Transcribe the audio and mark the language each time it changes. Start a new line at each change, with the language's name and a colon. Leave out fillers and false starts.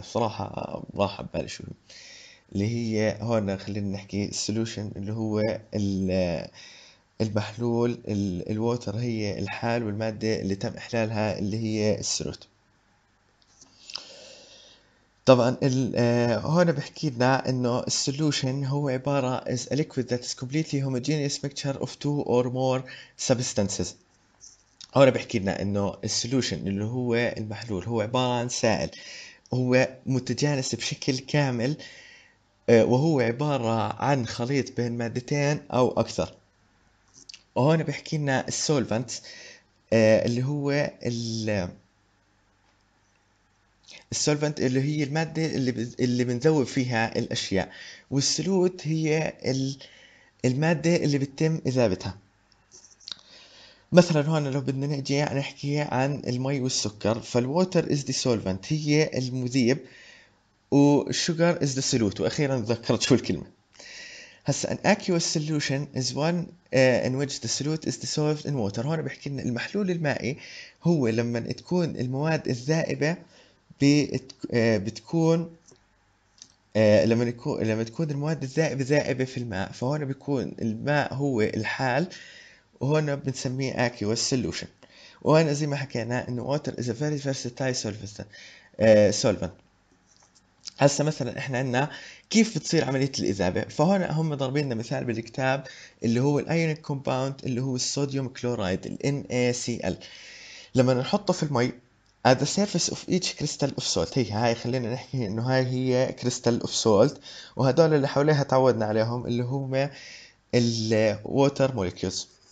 Arabic: بصراحة راح ببالي شو اللي هي، هون خلينا نحكي السولوشن اللي هو المحلول، الووتر هي الحال، والمادة اللي تم إحلالها اللي هي السلوت. طبعا هون بحكي لنا انه السولوشن هو عبارة
English: is a liquid that is completely homogeneous mixture of two or more substances.
Arabic: هون بحكي لنا انه السولوشن اللي هو المحلول هو عبارة عن سائل هو متجانس بشكل كامل، وهو عبارة عن خليط بين مادتين او اكثر. وهون بحكي لنا السولفنت اللي هو السولفنت اللي هي المادة اللي بنذوب فيها الأشياء، والسلوت هي المادة اللي بتتم إذابتها. مثلا هون لو بدنا نجي نحكي عن المي والسكر،
English: فالووتر is the solvent
Arabic: هي المذيب،
English: والشوجر is the solute.
Arabic: واخيرا ذكرت شو الكلمه.
English: هسا an aqueous solution is one in which the solute is dissolved in water.
Arabic: هون بحكي ان المحلول المائي هو لما تكون المواد الذائبه بتكون لما يكون لما تكون المواد الذائبه ذائبه في الماء، فهون بيكون الماء هو الحال، وهون بنسميه aqueous solution. وهون زي ما حكينا انه
English: water is a very versatile solvent.
Arabic: هسا مثلا احنا عندنا كيف بتصير عملية الإذابة، فهون هم ضاربين لنا مثال بالكتاب اللي هو الأيونيك كومباوند اللي هو الصوديوم كلورايد ال NaCl. لما نحطه في المي
English: at the surface of each crystal of salt،
Arabic: هاي خلينا نحكي انه هاي هي
English: crystal of salt،
Arabic: وهدول اللي حواليها تعودنا عليهم اللي هم ال water molecules.